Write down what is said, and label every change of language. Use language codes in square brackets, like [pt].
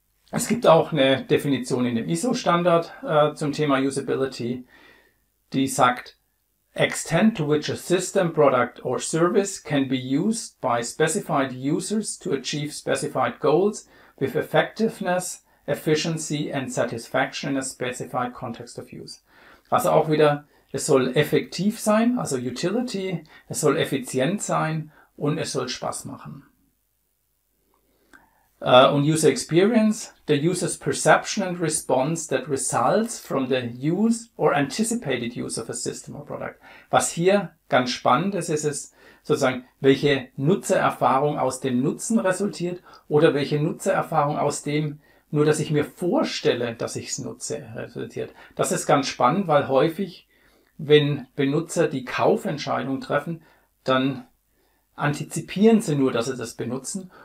[de] Es gibt auch eine Definition in dem ISO-Standard zum Thema Usability, die sagt: [en] Extent to which a system, product or service can be used by specified users to achieve specified goals with effectiveness, efficiency and satisfaction in a specified context of use. [de] Also auch wieder, es soll effektiv sein, also Utility, es soll effizient sein und es soll Spaß machen. [en] Und User Experience, the user's perception and response that results from the use or anticipated use of a system or product. [de] Was hier ganz spannend ist, ist es sozusagen, welche Nutzererfahrung aus dem Nutzen resultiert oder welche Nutzererfahrung aus dem, nur dass ich mir vorstelle, dass ich es nutze, resultiert. Das ist ganz spannend, weil häufig, wenn Benutzer die Kaufentscheidung treffen, dann antizipieren sie nur, dass sie das benutzen.